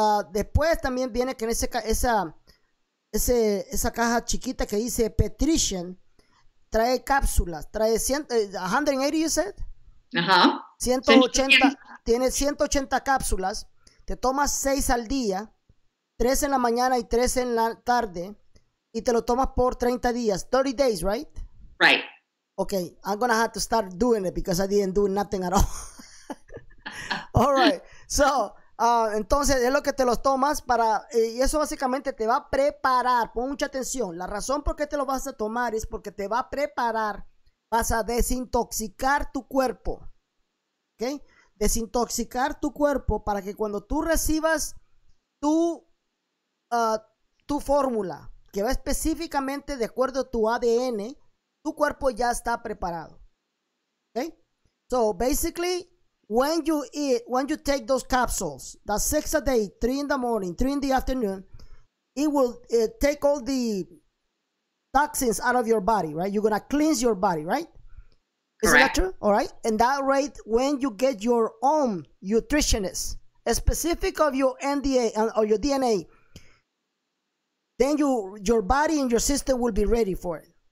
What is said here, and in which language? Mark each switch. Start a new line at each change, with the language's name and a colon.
Spanish: Después también viene que en esa caja chiquita que dice Petrition, trae cápsulas, trae 180,
English: you said? Ajá.
Spanish: 180, tiene 180 cápsulas, te tomas 6 al día, 3 en la mañana y 3 en la tarde, y te lo tomas por 30 días,
English: 30 days, right? Right. Okay, I'm going to have to start doing it because I didn't do nothing at all. All right, so...
Spanish: entonces es lo que te los tomas para, y eso básicamente te va a preparar, pon mucha atención, la razón por qué te lo vas a tomar es porque te va a preparar, vas a desintoxicar tu cuerpo, ¿ok? Desintoxicar tu cuerpo para que cuando tú recibas tu fórmula, que va específicamente de acuerdo a tu ADN, tu cuerpo ya está preparado, ¿ok?
English: So, basically... when you take those capsules, that's 6 a day, 3 in the morning, 3 in the afternoon, it will take all the toxins out of your body, right? You're going to cleanse your body, right? Correct. Is that true? All right. And that rate, when you get your own nutritionist, specific of your NDA or your DNA, then your body and your system will be ready for it.